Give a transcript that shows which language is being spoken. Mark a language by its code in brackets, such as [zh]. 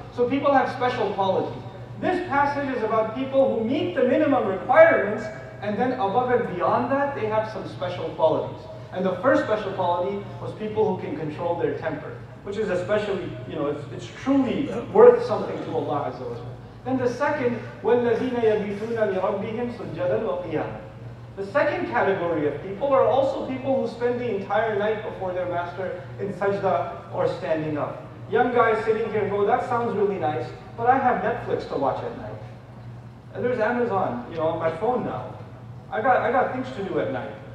[en] So people have special qualities. This passage is about people who meet the minimum requirements, and then above and beyond that, they have some special qualities. And the first special quality was people who can control their temper, which is especially, you know, it's truly worth something to Allah Azza wa Jalla. Then the second, [ar] وَالَّذِينَ يَبِيتُونَ لِرَبِّهِمْ سُجَّدًا وَقِيَامًا. [en] The second category of people are also people who spend the entire night before their master in sajda or standing up. Young guys sitting here go, that sounds really nice, but I have Netflix to watch at night. And there's Amazon, you know, on my phone now. I got things to do at night.